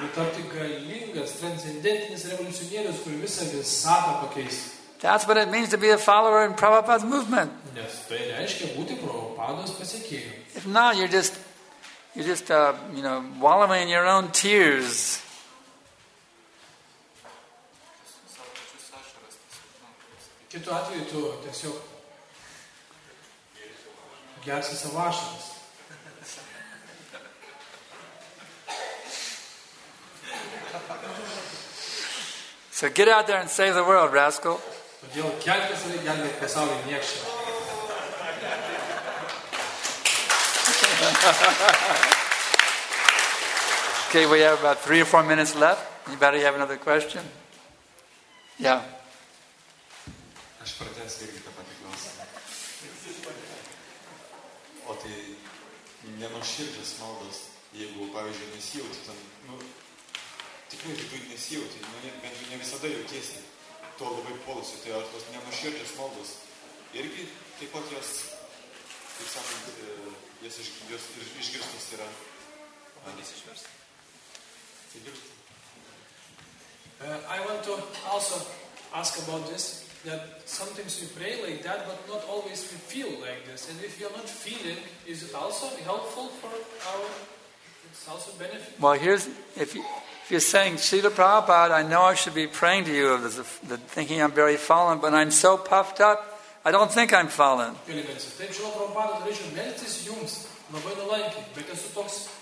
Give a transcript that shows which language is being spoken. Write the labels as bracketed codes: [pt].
[en] That's what it means to be a follower in Prabhupada's movement. If not, you're just wallowing in your own tears. [lt] Kitu atveju tu tiesiog gersi savo ašaras. [en] So get out there and save the world, rascal. [lt] Todėl kelkis ir gelbėk pasaulį, niekšą. [en] Okay, we have about 3 or 4 minutes left. Anybody have another question? Yeah. [lt] Aš pratęs irgi tą patį klausimą. O tai nenuširdžias maldas, jeigu, pavyzdžiui, nesijauti tam, tikrai nesijauti, bet jau ne visada jautiesi to labai polusiu, tai ar tos nenuširdžias maldas irgi taip pat jos, kaip sakant, jos išgirstos yra. Pabandys išversti. [en] I want to also ask about this, that sometimes we pray like that, but not always we feel like this. And if you're not feeling, is it also helpful for our, it's also benefit? Well, here's, if you're saying, Srila Prabhupada, I know I should be praying to you, of the thinking I'm very fallen, but I'm so puffed up, I don't think I'm fallen. [lt] Taip, Srila Prabhupada, turėčiau melstis jums labai nuolankiai, bet esu toks,